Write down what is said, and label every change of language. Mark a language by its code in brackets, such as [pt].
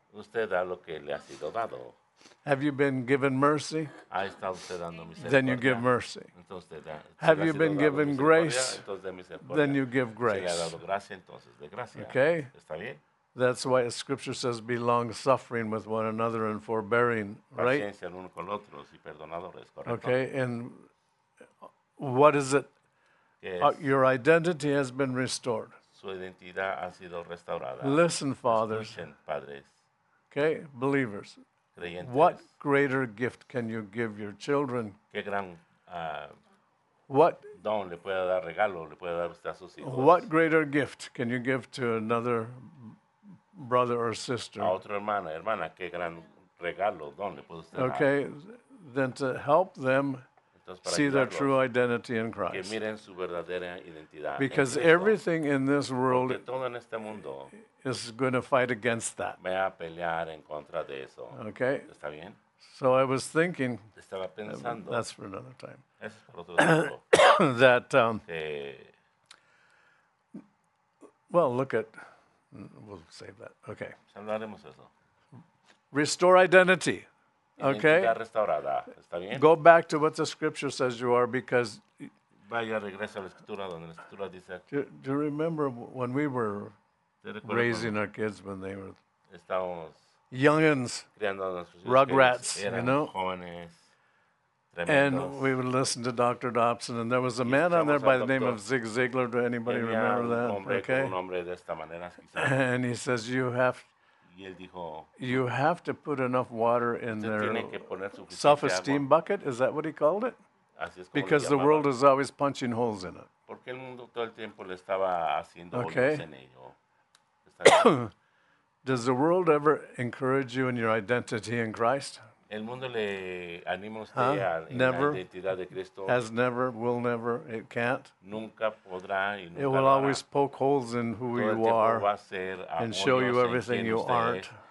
[es] Usted da lo que le ha sido dado. [en] Have you been given mercy? [es] ¿Ha estado usted dando misericordia? [en] Then you give mercy. [es] Entonces, usted da, [en] have you been given grace? [es] Entonces, de misericordia. [en] Then you give grace. [es] Se le ha dado gracia, entonces, de gracia. [en] Okay. [es] ¿Está bien? [en] That's why Scripture says, "Be long suffering with one another and forbearing." Right. [es] Paciencia el uno con el otro y perdonadores. Correcto. [en] Okay. And what is it? Yes. Your identity has been restored. [es] Su identidad ha sido restaurada. [en] Listen, fathers. [es] Escuchen, padres. [en] Okay, believers. [es] Creyentes. [en] What greater gift can you give your children? [es] Qué gran [en] what [es] don le puede dar regalo le puede dar usted a sus hijos. [en] What greater gift can you give to another brother or sister? [es] A otra hermana, hermana, qué gran regalo don le puede usted dar. [en] Okay, then to help them see their true identity in Christ. [es] Que miren su verdadera identidad. [en] Because everything in this world [es] todo en este mundo [en] is going to fight against that. [es] Va a pelear en contra de eso. [en] Okay. [es] ¿Está bien? [en] So I was thinking, [es] estaba pensando, [en] that's for another time, [es] es por otro tiempo. [en] That, well, look at, we'll save that. Okay. [es] Hablaremos eso. [en] Restore identity. Okay. [es] Identidad restaurada. ¿Está bien? [en] Go back to what the scripture says you are because [es] vaya regreso a la escritura donde la escritura dice. [en] Do you remember when we were raising our kids when they were [es] estábamos [en] youngins, [es] criando a nuestros hijos, [en] rugrats, you know? [es] Jóvenes, [en] and we would listen to Dr. Dobson and there was a man on there by the name of Zig Ziglar. Do anybody remember that? [es] Hombre, [en] okay. [es] Un hombre de esta manera, [en] and he says you have you have to put enough water in their self-esteem bucket. Is that what he called it? Because the world is always punching holes in it. [es] Porque el mundo todo el tiempo le estaba haciendo hoyos en ello. [en] Does the world ever encourage you in your identity in Christ? [es] El mundo le anima a usted a [en] never, [es] la identidad de Cristo. [en] Has never, will never, it can't. [es] Nunca podrá y nunca [en] it will [es] hará. [en] Always poke holes in who [es] todo [en] you are [es] va a ser [en] and show you everything you aren't.